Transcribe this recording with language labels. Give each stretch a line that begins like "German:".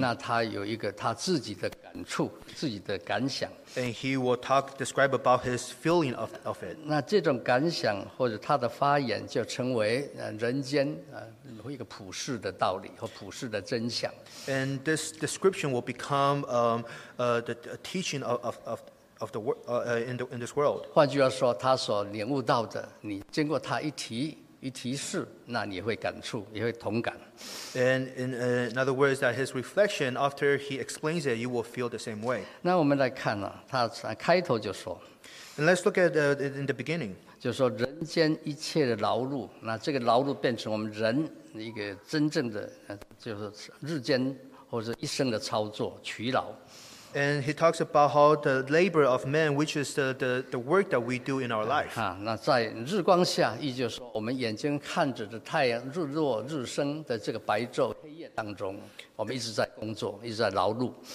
Chinese: 那他有一个他自己的感触，自己的感想。
English: And he will describe about his feeling of it.
Chinese: 那这种感想或者他的发言就成为人间一个普世的道理和普世的真相。
English: And this description will become the teaching of the in this world.
Chinese: 换句话说，他所领悟到的，你经过他一提。一提示，那你会感触，也会同感。
English: And in other words, that his reflection after he explains it, you will feel the same way.
Chinese: 那我们来看他开头就说。
English: And let's look at in the beginning.
Chinese: 就说人间一切的劳碌，那这个劳碌变成我们人一个真正的，就是日间或者一生的操作，取劳。
English: And he talks about how the labor of man, which is the work that we do in our life.
Chinese: 那在日光下，也就是说，我们眼睛看着的太阳日落日升的这个白昼黑夜当中，我们一直在工作，一直在劳碌。